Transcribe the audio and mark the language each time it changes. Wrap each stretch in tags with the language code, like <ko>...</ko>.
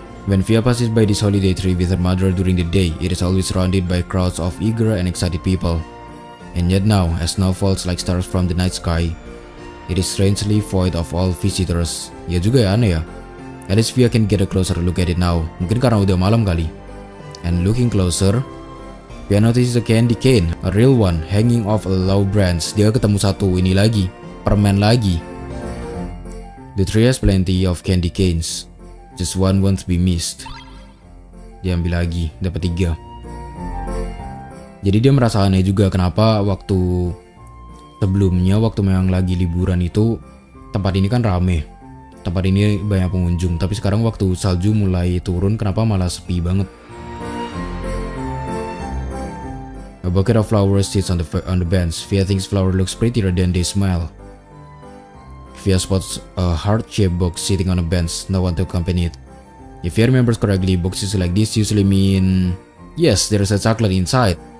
<en>When Via passes by this holiday tree with her mother during the day, it is always surrounded by crowds of eager and excited people. And yet now, as snow falls like stars from the night sky, it is strangely void of all visitors.</en> <id>Ya juga ya, aneh ya.</id> <en>At least Via can get a closer look at it now.</en> <id>Mungkin karena udah malam kali.</id> <en>And looking closer, Via notices a candy cane, a real one, hanging off a low branch.</en> <id>Dia ketemu satu ini lagi, permen lagi.</id> <en>The tree has plenty of candy canes. Just one won't be missed.</en> <id>Dia ambil lagi, dapat 3. Jadi dia merasa aneh juga kenapa waktu sebelumnya, waktu memang lagi liburan itu, tempat ini kan rame. Tempat ini banyak pengunjung, tapi sekarang waktu salju mulai turun, kenapa malah sepi banget?</id> <en>A bucket of flowers sits on the bench. Via thinks flower looks prettier than they smell. Via spots a heart-shaped box sitting on a bench, no one to accompany it. If Via remembers correctly, boxes like this usually mean, yes, there's a chocolate inside.</en>